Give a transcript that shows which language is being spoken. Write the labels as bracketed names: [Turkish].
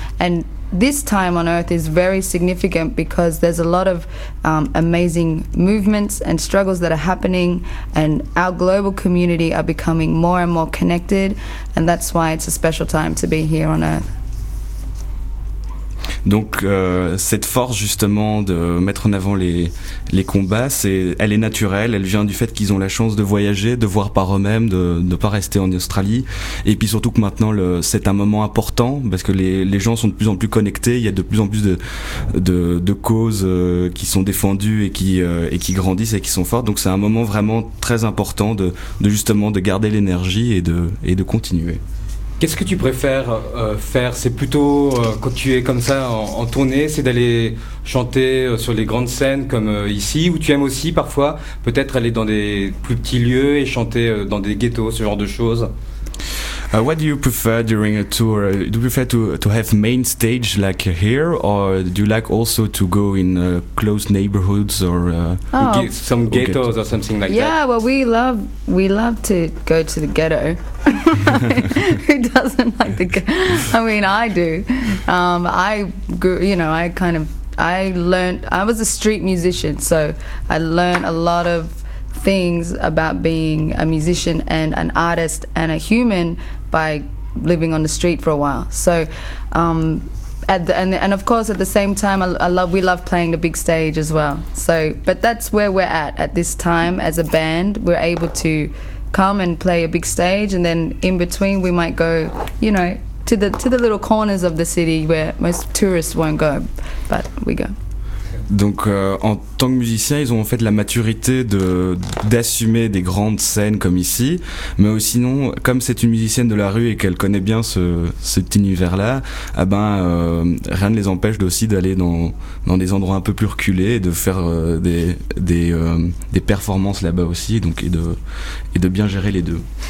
[English] And this time on Earth is very significant because there's a lot of amazing movements and struggles that are happening, and our global community are becoming more and more connected, and that's why it's a special time to be here on Earth. [French] Donc cette force justement de mettre en avant les combats, elle est naturelle, elle vient du fait qu'ils ont la chance de voyager, de voir par eux-mêmes, de ne pas rester en Australie, et puis surtout que maintenant c'est un moment important, parce que les gens sont de plus en plus connectés, il y a de plus en plus de causes qui sont défendues et qui grandissent et qui sont fortes, donc c'est un moment vraiment très important de garder l'énergie et de continuer. Qu'est-ce que tu préfères faire? C'est plutôt quand tu es comme ça en tournée, c'est d'aller chanter sur les grandes scènes comme ici, ou tu aimes aussi parfois peut-être aller dans des plus petits lieux et chanter dans des ghettos, ce genre de choses? [English] What do you prefer during a tour? Do you prefer to have main stage like here, or do you like also to go in close neighborhoods or some ghettos or something like yeah, that? Yeah, well, we love to go to the ghetto. Who doesn't like the ghetto? I mean, I do. I was a street musician, so I learned a lot of things about being a musician and an artist and a human by living on the street for a while. So, and of course, at the same time, we love playing the big stage as well. So, but that's where we're at this time as a band. We're able to come and play a big stage, and then in between, we might go, you know, to the little corners of the city where most tourists won't go, but we go. [French] Donc en tant que musicien, ils ont en fait la maturité d'assumer des grandes scènes comme ici, mais aussi non, comme c'est une musicienne de la rue et qu'elle connaît bien cet univers-là, ah ben, rien ne les empêche aussi d'aller dans des endroits un peu plus reculés et de faire des performances là-bas aussi, donc, et de bien gérer les deux.